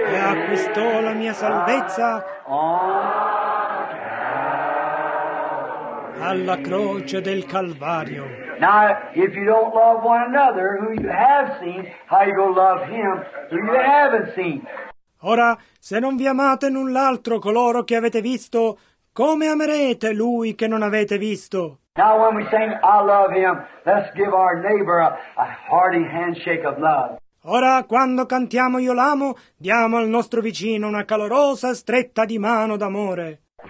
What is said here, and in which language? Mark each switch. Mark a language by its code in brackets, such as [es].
[it] Acquistò la mia salvezza alla croce del Calvario. [en] Now, if you don't love one another who you have seen, how you gonna love him who you haven't seen? [it] Ora, se non vi amate null'altro coloro che avete visto, come amerete lui che non avete visto? [en] Now, when we say I love him, let's give our neighbor a hearty handshake of love. [it] Ora, quando cantiamo Io l'amo, diamo al nostro vicino una calorosa stretta di mano d'amore.